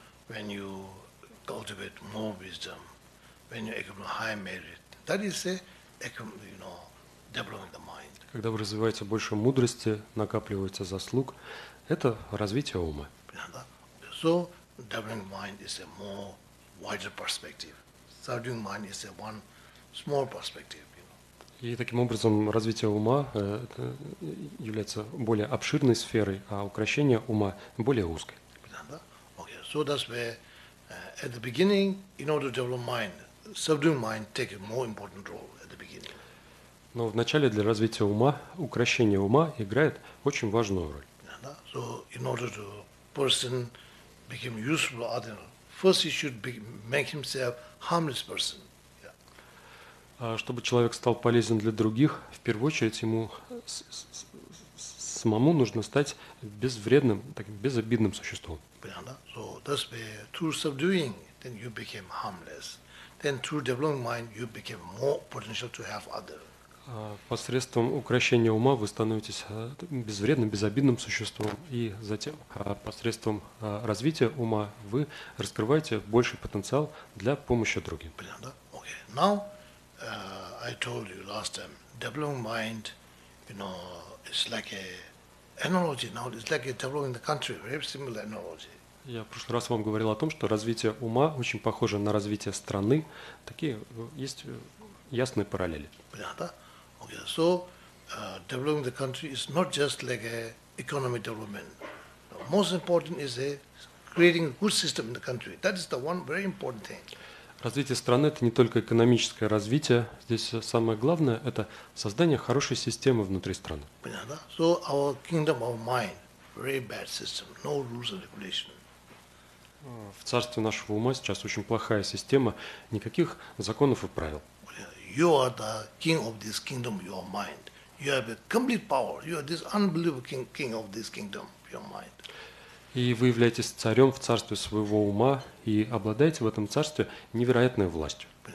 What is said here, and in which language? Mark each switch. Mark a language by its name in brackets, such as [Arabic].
[English] When you cultivate more wisdom, when you accumulate high merit, that is a, you know, developing the mind. [Russian] Когда вы развиваете больше мудрости, накапливается заслуг, это развитие ума. [English] So developing mind is a more wider perspective. Subduing mind is a one small perspective. [Russian] И таким образом развитие ума является более обширной сферой, а укрощение ума более узкой. [English] So that's where, at the beginning, in order to develop mind, subduing mind takes a more important role at the beginning. [Russian] Но в начале для развития ума укрощение ума играет очень важную роль. [English] So in order to person become useful other, first he should be, make himself harmless person. [Russian] Чтобы человек стал полезен для других, в первую очередь ему самому нужно стать безвредным, таким безобидным существом. [English] So that's where through subduing, then you became harmless. Then through developing mind, you became more potential to help others. [Russian] Посредством укрощения ума вы становитесь безвредным, безобидным существом, и затем посредством развития ума вы раскрываете больший потенциал для помощи другим. [English] Okay. Now I told you last time, developing mind, you know, it's like an analogy. Now it's like developing the country. Very similar analogy. [Russian] Я в прошлый раз вам говорил о том, что развитие ума очень похоже на развитие страны. Такие есть ясные параллели. Понятно? [English] Okay. So, developing the country is not just like a economic development. Most important is a creating a good system in the country. That is the one very important thing. [Russian] Развитие страны – это не только экономическое развитие. Здесь самое главное – это создание хорошей системы внутри страны. Понятно? [English] So, our kingdom of mind – very bad system, no rules and regulations. [Russian] В царстве нашего ума сейчас очень плохая система, никаких законов и правил. [English] You are the king of this kingdom, your mind. You have a complete power. You are this unbelievable king of this kingdom, your mind. [Russian] И вы являетесь царем в царстве своего ума и обладаете в этом царстве невероятной властью.